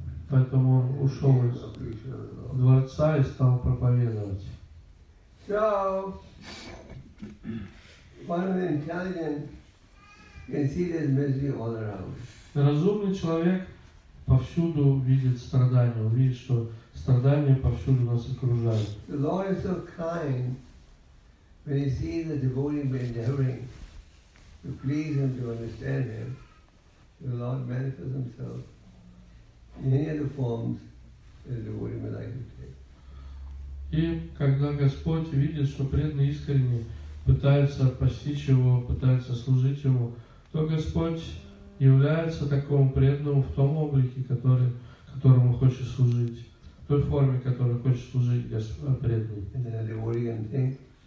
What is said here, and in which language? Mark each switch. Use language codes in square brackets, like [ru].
[ru] Поэтому он ушел из дворца и стал проповедовать. [en] So, one of the intelligent can see this misery all around. [ru] Разумный человек повсюду видит страдания, он видит, что страдания повсюду нас окружают. [en] The Lord is so kind when he sees the devotee endeavoring to please him, to understand him. The Lord manifests himself in any other forms that the devotee may like to take. [ru] И когда Господь видит, что преданный искренне пытается постичь его, пытается служить ему, то Господь является такому преданному в том облике, которому хочет служить. В той форме, которой хочет служить преданный.